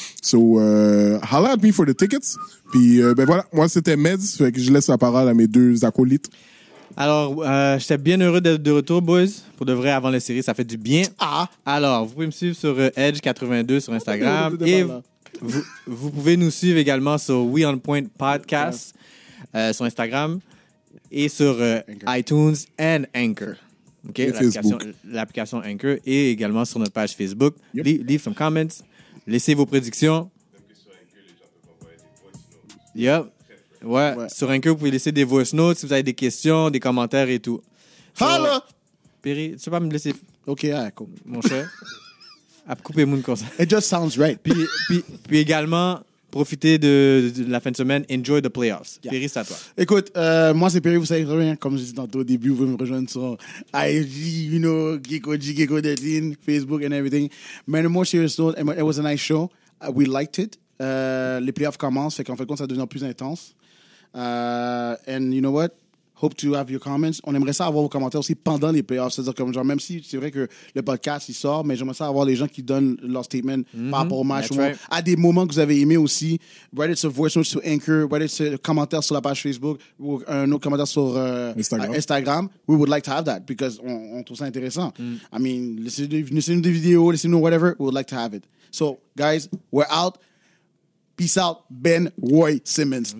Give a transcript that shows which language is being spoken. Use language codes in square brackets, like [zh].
[en] So, holla at me for the tickets. [fr] Puis voilà, moi c'était Meds, fait que je laisse la parole à mes deux acolytes. Alors, j'étais bien heureux d'être de retour, boys. Pour de vrai, avant la série, ça fait du bien. Ah. Alors, vous pouvez me suivre sur Edge82 sur Instagram. Et vous pouvez nous suivre également sur We On Point Podcast, sur Instagram et sur iTunes and Anchor. Okay? Et l'application Anchor et également sur notre page Facebook. Yep. [en] Leave some comments. [fr] Laissez vos prédictions. Yep. Ouais. Sur Anchor, vous pouvez laisser des voice notes si vous avez des questions, des commentaires et tout. [en] Hello! [fr] Perry, tu peux pas me laisser. Ok, allez, cool. Mon cher. À couper le monde comme ça. [en] It just sounds right. [fr] Puis également, profiter de la fin de semaine. [en] Enjoy the playoffs. Yeah. Perry, [fr] c'est à toi. Écoute, moi, c'est Perry. Vous savez très bien, comme je disais tantôt au début, vous pouvez me rejoindre sur IG, [en] you know, [fr] Geeko Deadline, Facebook [en] and everything. [fr] Mais le [en] more serious note, it was a nice show. We liked it. [fr] Les playoffs commencent. Fait qu'en fait, ça devient plus intense. [en] And you know what? Hope to have your comments. [fr] On aimerait ça avoir vos commentaires aussi pendant les playoffs. C'est-à-dire comme genre, même si c'est vrai que le podcast, il sort, mais j'aimerais ça avoir les gens qui donnent leur statement par rapport au match. Ou right. À des moments que vous avez aimés aussi. [en] Write it a voice note [fr] sur Anchor. [en] Write it a [fr] commentaire sur la page Facebook ou un autre commentaire sur Instagram. [en] We would like to have that because [fr] on trouve ça intéressant. Mm. [en] I mean, [fr] laissez-nous des vidéos, laissez-nous whatever. [en] We would like to have it. So, guys, we're out. Peace out. Ben Roy Simmons.